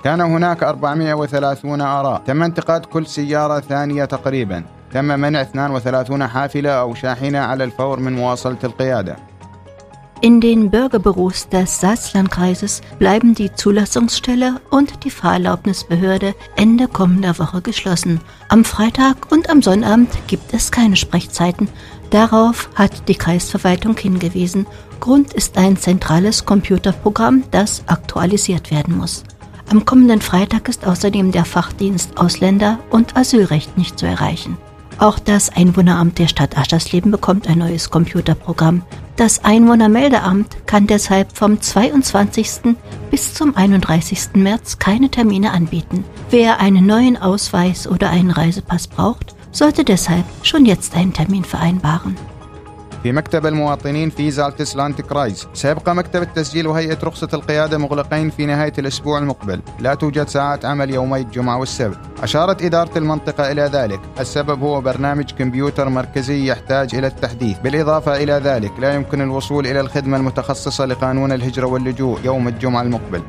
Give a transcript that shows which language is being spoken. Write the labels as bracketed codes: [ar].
[ar] كان هناك 430 آراء، تم انتقاد كل سيارة ثانية تقريبا، تم منع 32 حافلة أو شاحنة على الفور من مواصلة القيادة. [de] In den Bürgerbüros des Salzlandkreises bleiben die Zulassungsstelle und die Fahrerlaubnisbehörde Ende kommender Woche geschlossen. Am Freitag und am Sonnabend gibt es keine Sprechzeiten. Darauf hat die Kreisverwaltung hingewiesen. Grund ist ein zentrales Computerprogramm, das aktualisiert werden muss. Am kommenden Freitag ist außerdem der Fachdienst Ausländer- und Asylrecht nicht zu erreichen. Auch das Einwohneramt der Stadt Aschersleben bekommt ein neues Computerprogramm. Das Einwohnermeldeamt kann deshalb vom 22. bis zum 31. März keine Termine anbieten. Wer einen neuen Ausweis oder einen Reisepass braucht, sollte deshalb schon jetzt einen Termin vereinbaren. [ar] في مكتب المواطنين في زالتسلاند كرايز سيبقى مكتب التسجيل وهيئة رخصة القيادة مغلقين في نهاية الأسبوع المقبل. لا توجد ساعات عمل يومي الجمعة والسبت. أشارت إدارة المنطقة إلى ذلك. السبب هو برنامج كمبيوتر مركزي يحتاج إلى التحديث. بالإضافة إلى ذلك لا يمكن الوصول إلى الخدمة المتخصصة لقانون الهجرة واللجوء يوم الجمعة المقبل.